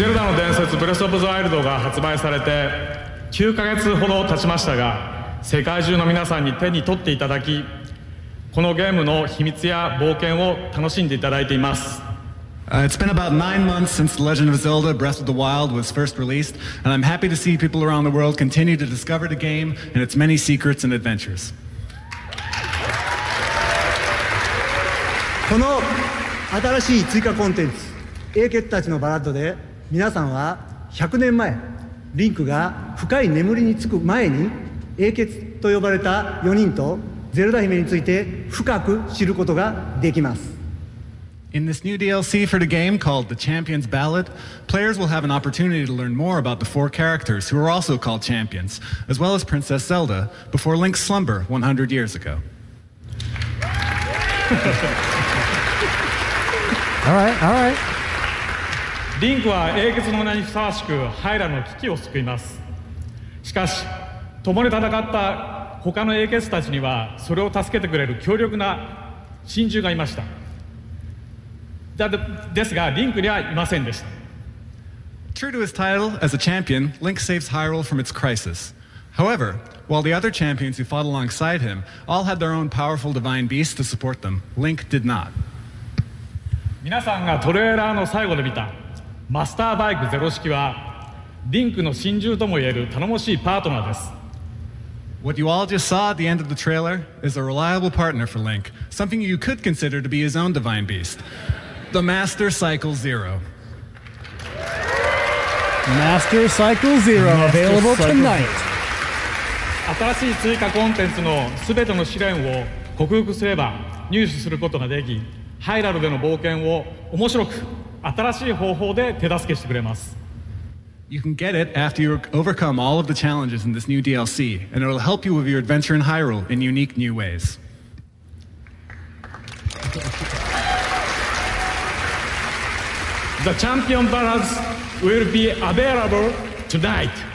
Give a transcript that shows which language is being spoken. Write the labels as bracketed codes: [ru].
[ja] me. Zelda の伝説 Breath of the Wild が発売されて9ヶ月ほど経ちましたが、世界中の皆さんに手に取っていただき、このゲームの秘密や冒険を楽しんでいただいています。 [en] It's been about 9 months since The Legend of Zelda Breath of the Wild was first released, and I'm happy to see people around the world continue to discover the game and its many secrets and adventures. [ja] この新しい追加コンテンツ、英傑たちのバラッドで、皆さんは100年前、リンクが深い眠りにつく前に、英傑と呼ばれた4人とゼルダ姫について深く知ることができます。 [en] In this new DLC for the game called The Champion's Ballad, players will have an opportunity to learn more about the four characters who are also called champions, as well as Princess Zelda, before Link's slumber 100 years ago. All right, all right. [ja] リンクは英傑の名にふさわしくハイラの危機を救います。しかし共に戦った他の英傑たちにはそれを助けてくれる強力な神獣がいました。ですがリンクにはいませんでした。 [en] True to his title as a champion, Link saves Hyrule from its crisis. However, while the other champions who fought alongside him all had their own powerful divine beasts to support them, Link did not. [ja] 皆さんがトレーラーの最後で見たマスターバイクゼロ式はリンクの真珠ともいえる頼もしいパートナーです。 [en] What you all just saw at the end of the trailer is a reliable partner for Link, something you could consider to be his own divine beast, the Master Cycle Zero. Master Cycle Zero, available tonight. [ja] 新しい追加コンテンツのすべての試練を克服すれば入手することができ、ハイラルでの冒険を面白く新しい方法で手助けしてくれます。 [en] You can get it after you overcome all of the challenges in this new DLC, and it'll help you with your adventure in Hyrule in unique new ways. The Champion Ballads will be available tonight.